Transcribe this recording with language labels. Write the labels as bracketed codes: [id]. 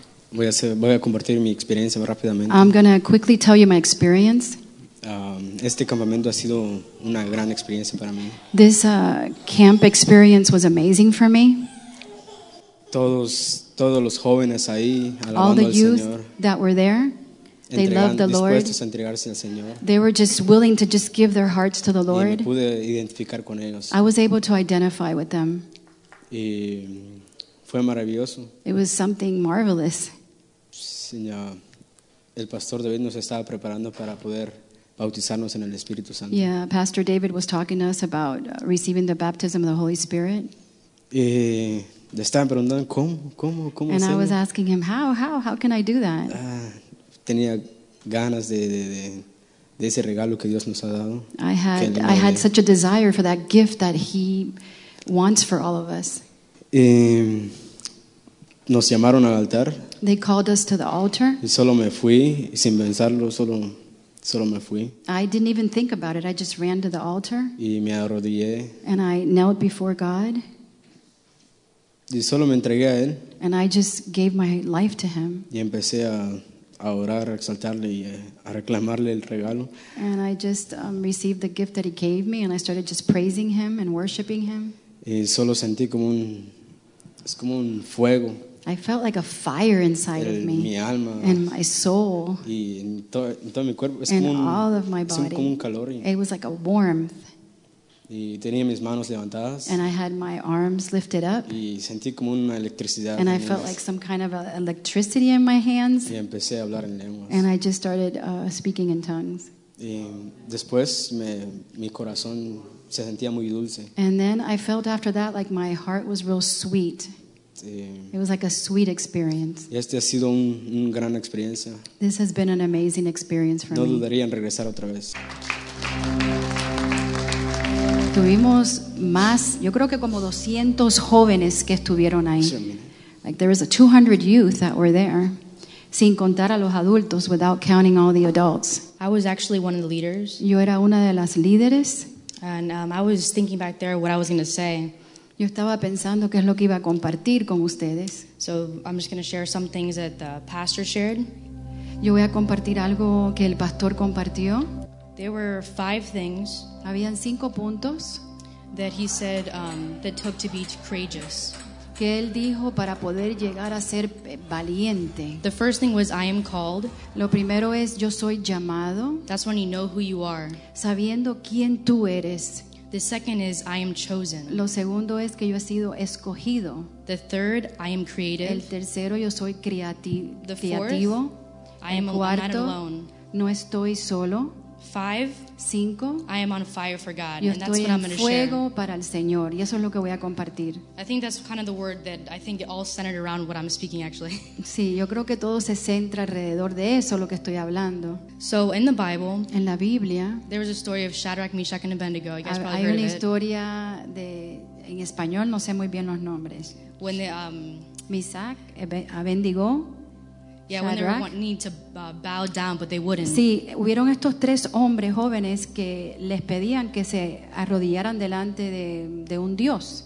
[es] Voy a compartir mi experiencia rápidamente. [en] I'm going to quickly tell you my experience. [es] Este campamento ha sido una gran experiencia para mí. [en] This camp experience was amazing for me. [es] Todos los jóvenes ahí alabando [en] all the [es] al [en] youth [es] Señor. [en] That were there. They loved the Lord. [es] A entregarse al Señor. [en] They were just willing to just give their hearts to the Lord. [es] Y me pude identificar con ellos. [en] I was able to identify with them. [es] Y fue maravilloso. [en] It was something marvelous. [es] Señor, el pastor David nos estaba preparando para poder bautizarnos en el Espíritu Santo. [en] Yeah, Pastor David was talking to us about receiving the baptism of the Holy Spirit. [es] Y Le estaban preguntando cómo [en] And I was asking him how can I do that? [es] Tenía ganas de ese regalo que Dios nos ha dado. [en] I had such a desire for that gift that he wants for all of us. [es] Nos llamaron al altar. [en] They called us to the altar. [es] Y solo me fui sin pensarlo, solo me fui. [en] I didn't even think about it. I just ran to the altar. [es] Y me arrodillé. [en] And I knelt before God. [es] Y solo me entregué a él. [en] And I just gave my life to him. [es] Y empecé a orar, a exaltarle y a reclamarle el regalo. [en] And I just received the gift that he gave me and I started just praising him and worshiping him. [es] Y solo sentí como un fuego. [en] I felt like a fire inside of me. [es] Mi alma. [en] And my soul. [es] Y en todo mi cuerpo. [en] All of my body. [es] Como un calor. [en] It was like a warmth. [es] Y tenía mis manos levantadas. [en] And I had my arms lifted up. [es] Y sentí como una electricidad. [en] And I felt like some kind of electricity in my hands. [es] Y empecé a hablar en lenguas. [en] And I just started speaking in tongues. [es] Y después mi corazón se sentía muy dulce. [en] And then I felt after that like my heart was real sweet. It was like a sweet experience. [es] Este ha sido un gran experiencia. [en] This has been an amazing experience for [es] no [en] me. [es] No dudaría en regresar otra vez. Tuvimos más, yo creo que como 200 jóvenes que estuvieron ahí. [en] Like there was a 200 youth that were there, [es] sin contar a los adultos, [en] without counting all the adults. I was actually one of the leaders. [es] Yo era una de las líderes. [en] And I was thinking back there what I was going to say. [es] Yo estaba pensando qué es lo que iba a compartir con ustedes. [en] So I'm just going to share some things that the pastor shared. [es] Yo voy a compartir algo que el pastor compartió. [en] There were five things. [es] Habían cinco puntos [en] that he said that took to be courageous. [es] Que él dijo para poder llegar a ser valiente. [en] The first thing was I am called. [es] Lo primero es yo soy llamado. [en] That's when you know who you are. [es] Sabiendo quién tú eres. [en] The second is I am chosen. [es] Lo segundo es que yo he sido escogido. [en] The third, I am creative. [es] El tercero, yo soy creativo. [en] The fourth, I am not alone. [es] No estoy solo. [en] Five, [es] cinco, [en] I am on fire for God. [es] Yo [en] and that's what I'm going to share. [es] Fuego para el Señor, y eso es lo que voy a compartir. [en] I think that's kind of the word that I think it all centered around what I'm speaking actually. [es] Sí, yo creo que todo se centra alrededor de eso lo que estoy hablando. [en] So in the Bible, [es] en la Biblia, [en] there was a story of Shadrach, Meshach and Abednego. You guys probably heard of it. [es] Hay una historia [en] it. [es] De en español no sé muy bien los nombres. [en] When the [es] Meshach, Abednego, [en] yeah, when they were wanting to bow down, but they wouldn't. [es] Sí, hubieron estos tres hombres jóvenes que les pedían que se arrodillaran delante de un dios.